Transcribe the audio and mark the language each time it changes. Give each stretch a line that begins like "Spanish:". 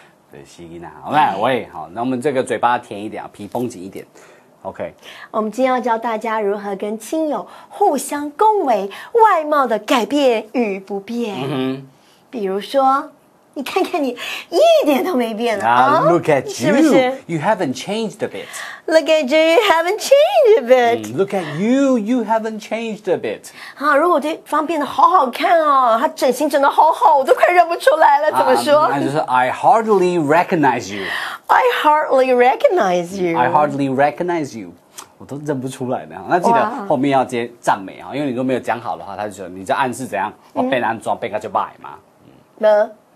Chinese: 对，洗高跟啊，好嘞，喂，好，那我们这个嘴巴甜一点，皮绷紧一点。
English: OK，
Chinese: 我们今天要教大家如何跟亲友互相恭维外貌的改变与不变。嗯哼，比如说。你看看你一点都没变了、
English: Look at you,
Chinese: 是不是?
English: You haven't changed a bit. Look at you, you haven't changed a bit. Look at you, you haven't changed a bit.
Chinese: 啊，如果对方变得好好看哦，他整形整得好好，我都快认不出来了，怎么说？那就是
English: I hardly recognize you. I hardly recognize you. I hardly recognize you.
Chinese: 我都认不出来呢。那记得后面要接赞美啊，因为你如果没有讲好的话，他就说你在暗示怎样，我变安装变个就败嘛。